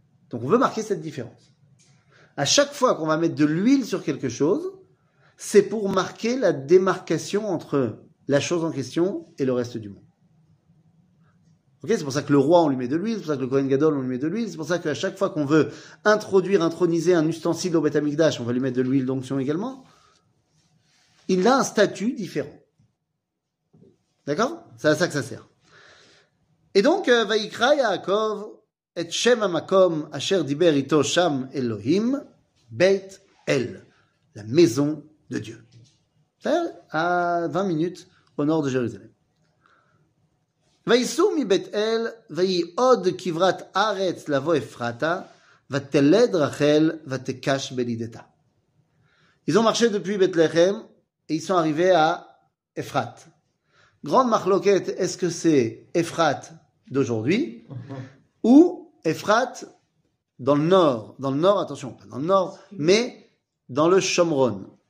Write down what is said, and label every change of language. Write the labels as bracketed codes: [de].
[fr] Donc, on veut marquer cette différence. À chaque fois qu'on va mettre de l'huile sur quelque chose, c'est pour marquer la démarcation entre la chose en question et le reste du monde. Okay, c'est pour ça que le roi, on lui met de l'huile, c'est pour ça que le Kohen Gadol, on lui met de l'huile, c'est pour ça qu'à chaque fois qu'on veut introniser un ustensile au Beth Amikdash, on va lui mettre de l'huile d'onction également. Il a un statut différent. D'accord? C'est à ça que ça sert. Et donc, [he] Vayikra Yaakov, את שם המקום אשר דיבר איתו שם אלוהים, בית אל, [fr] la maison de Dieu. À 20 minutes au nord de Jérusalem. [he] וייסעו מבית אל, ויהי עוד כברת ארץ לבוא אפרתה, ותלד רחל ותקש בלידתה. [fr] Ils ont marché depuis Bethlehem et ils sont arrivés à Ephrat. Grande מחלוקת, est-ce que c'est Ephrat d'aujourd'hui? ou Ephrat dans le nord. Dans le nord, attention, pas dans le nord, mais dans le Shomron.